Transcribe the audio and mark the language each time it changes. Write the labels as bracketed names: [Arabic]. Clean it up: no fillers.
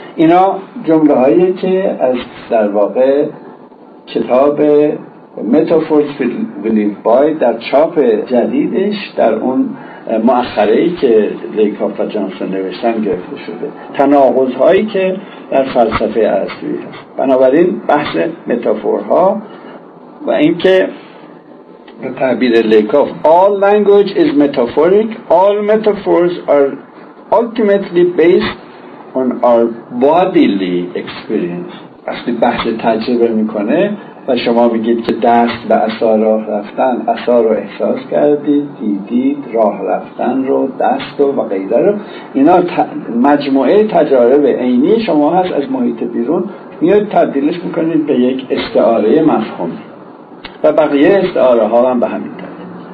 [Persian] اینا جمله هایی که از در واقع کتاب Metaphors for Belief by در چاپ جدیدش، در اون مؤخره‌ای که لیکاف و جانسون نوشتن گرفته شده، تناقض‌هایی که در فلسفه ارسطویی هست. بنابراین بحث متافورها و اینکه به تعبیر لیکاف [English] All language is metaphoric. All metaphors are ultimately based on our bodily experience. [Persian] وقتی بحث تجربه میکنه و شما میگید که دست به عصا راه رفتن، عصا رو احساس کردید، دیدید راه رفتن رو، دست و غیره رو، اینا مجموعه تجارب عینی شما هست از محیط بیرون، میاد تبدیلش میکنید به یک استعاره مفهومی و بقیه استعاره ها هم به همین دارید.